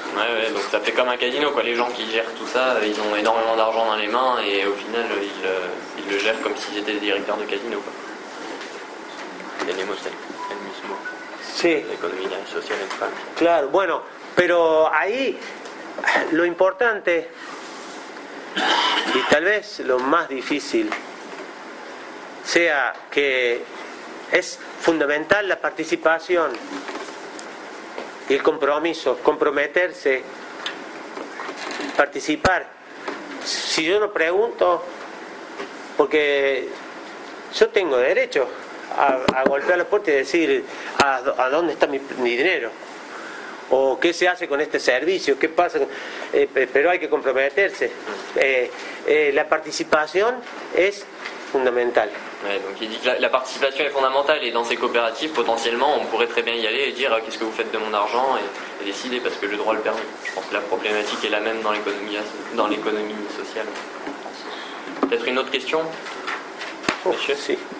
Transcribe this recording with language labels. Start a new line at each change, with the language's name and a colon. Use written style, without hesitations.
French: Ouais, donc ça fait comme un casino quoi. Les gens qui gèrent tout ça, ils ont énormément d'argent dans les mains et au final ils le gèrent comme s'ils étaient directeurs de casino quoi.
Spanish: Tenemos el mismo. Sí.
French: L'économie sociale en France.
Spanish: Claro, bueno, pero ahí lo importante y tal vez lo más difícil sea que es fundamental la participación y el compromiso, comprometerse, participar. Si yo no pregunto, porque yo tengo derecho a golpear la puerta y decir a dónde está mi dinero, o qué se hace con este servicio, qué pasa, pero hay que comprometerse. La participación es fundamental.
French: Ouais, donc il dit que la participation est fondamentale et dans ces coopératives, potentiellement, on pourrait très bien y aller et dire qu'est-ce que vous faites de mon argent et décider parce que le droit le permet. Je pense que la problématique est la même dans l'économie sociale. Peut-être une autre question, monsieur. Si.